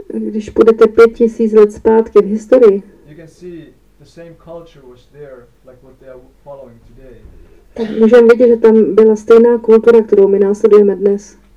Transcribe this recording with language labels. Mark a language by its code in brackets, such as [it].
[cs] když půjdete 5,000 let zpátky v historii, [en] you can see the same culture was there, like what they are following today. [cs] Tak můžeme vidět, že tam byla stejná kultura, kterou my následujeme dnes.